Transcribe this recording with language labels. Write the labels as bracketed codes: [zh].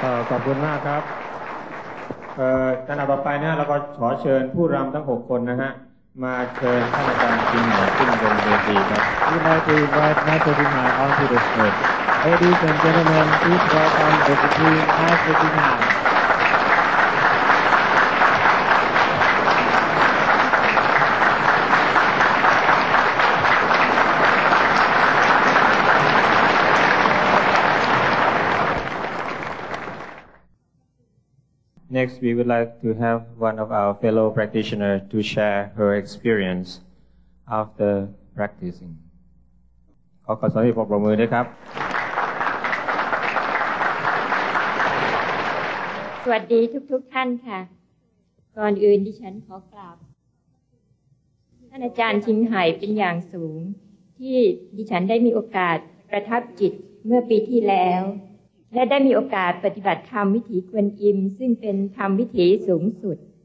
[th] ขอบคุณมากครับขณะต่อไปนะเราก็ขอเชิญผู้รำทั้ง6คนนะฮะมาเชิญท่านอาจารย์ชินหมายขึ้นบนเวทีครับ [en] We might invite Master Chin Hai onto the stage. Ladies and gentlemen, please welcome Deputy Master Chin Hai. Next, we would like to have one of our fellow practitioners to share her experience after practicing. [th] ขอขอสวัสดีพวกประมือด้วยครับ สวัสดีทุกท่านค่ะ ก่อนอื่นดิฉันขอกราบท่านอาจารย์ชินไห่เป็นอย่างสูงที่ดิฉันได้มีโอกาสประทับจิตเมื่อปีที่แล้วและได้มีโอกาสปฏิบัติธรรมวิถีกวนอิมซึ่งเป็นธรรมวิถีสูงสุด